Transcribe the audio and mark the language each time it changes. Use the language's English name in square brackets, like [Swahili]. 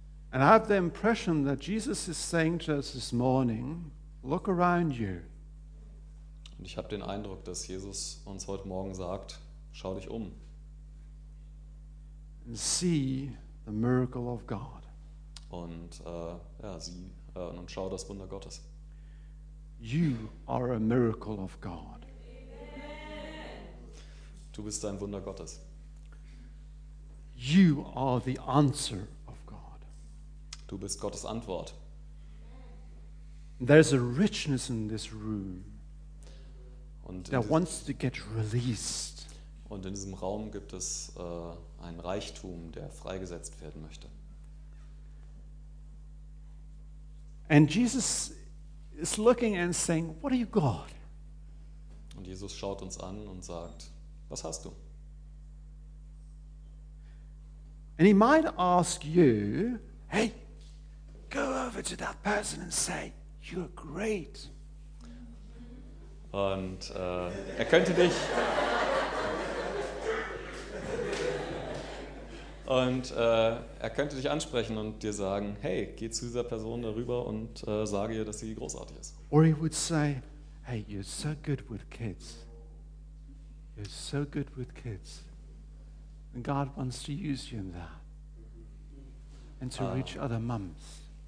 [English] And I have the impression that Jesus is saying to us this morning, look around you. [German] Und ich habe den Eindruck, dass Jesus uns heute Morgen sagt, schau dich um. [English] And see the miracle of God. [German] Und ja, sieh und schau das Wunder Gottes. [English] You are a miracle of God. Amen. [German] Du bist ein Wunder Gottes. [English] You are the answer. [German] Du bist Gottes Antwort. [English] There's a richness in this room [German] und [English] that wants to get released. [German] Und in diesem Raum gibt es ein Reichtum, der freigesetzt werden möchte. [English] And Jesus is looking and saying, "What are you got?" [German] Und Jesus schaut uns an und sagt, was hast du? [English] And he might ask you, hey, go over to that person and say, you're great. [German] Und er könnte dich und er könnte dich ansprechen und dir sagen, hey, geh zu dieser Person darüber und sage ihr, dass sie großartig ist. [English] Or he would say, hey, you're so good with kids. You're so good with kids. And God wants to use you in that and to reach other mums.